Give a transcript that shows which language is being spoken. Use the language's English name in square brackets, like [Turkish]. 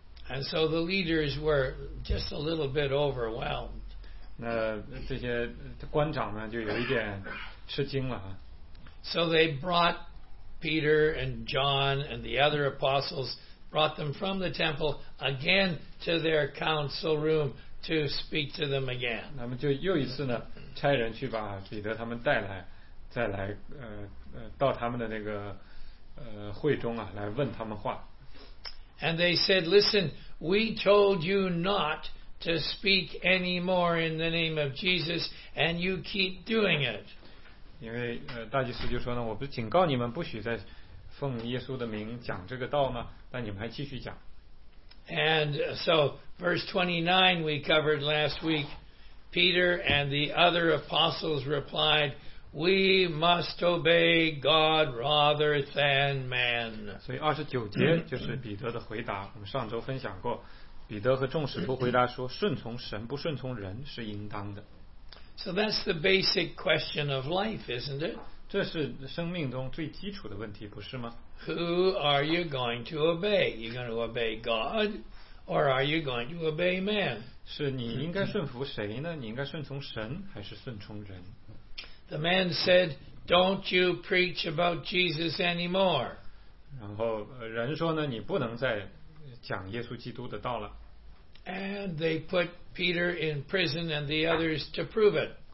[English] And so the leaders were just a little bit overwhelmed. [Chinese] 那这些官长呢，就有一点吃惊了。 [English] So they brought Peter and John and the other apostles, brought them from the temple again to their council room to speak to them again. [Chinese] 那么就又一次呢，差人去把彼得他们带来，再来到他们的那个会中啊，来问他们话。 [English] And they said, listen, we told you not to speak anymore in the name of Jesus, and you keep doing it. [Chinese] 因为大祭司就说呢，我不是警告你们不许再奉耶稣的名讲这个道吗？但你们还继续讲。 [English] And so, verse 29 we covered last week, Peter and the other apostles replied,We must obey God rather than man. [Chinese] 所以二十九节就是彼得的回答。我们上周分享过，彼得和众使徒回答说，顺从神不顺从人是应当的。 [English] So that's the basic question of life, isn't it? [Chinese] 这是生命中最基础的问题，不是吗 [English] ？Who are you going to obey? You going to obey God, or are you going to obey man? [Chinese] 是你应该顺服谁呢？你应该顺从神还是顺从人？ [English] The man said, "Don't you preach about Jesus anymore?" [Chinese] 然后人说呢，你不能再讲耶稣基督的道了。 [English] And they put Peter in prison and the others to prove it.